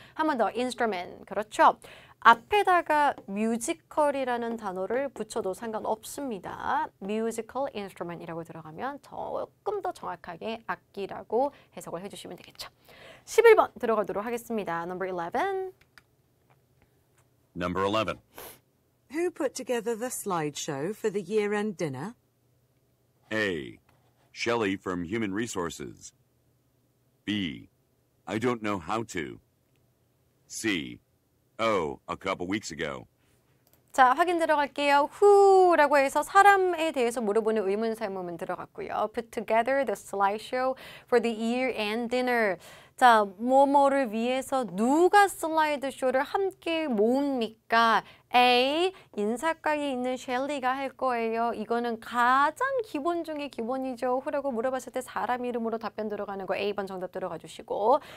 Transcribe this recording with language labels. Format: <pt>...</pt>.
<ko>한 번 더, instrument. 그렇죠? 앞에다가 뮤지컬이라는 단어를 붙여도 상관없습니다. musical instrument이라고 들어가면 조금 더 정확하게 악기라고 해석을 해주시면 되겠죠. 11번 들어가도록 하겠습니다.</ko> <en>Number 11. Number 11. Who put together the slideshow for the year-end dinner? A. Shelley from Human Resources. B. I don't know how to. C. Oh, a couple weeks ago.</en> <ko>자, 확인 들어갈게요. Who라고 해서 사람에 대해서 물어보는 의문사문 들어갔고요.</ko> <en>Put together the slideshow for the year-end dinner.</en> <ko>자, 뭐뭐를 위해서 누가 슬라이드쇼를 함께 모읍니까? A, 인사과에 있는 셸리가 할 거예요. 이거는 가장 기본 중에 기본이죠. Who라고 물어봤을 때 사람 이름으로 답변 들어가는 거 A번 정답 들어가 주시고.</ko>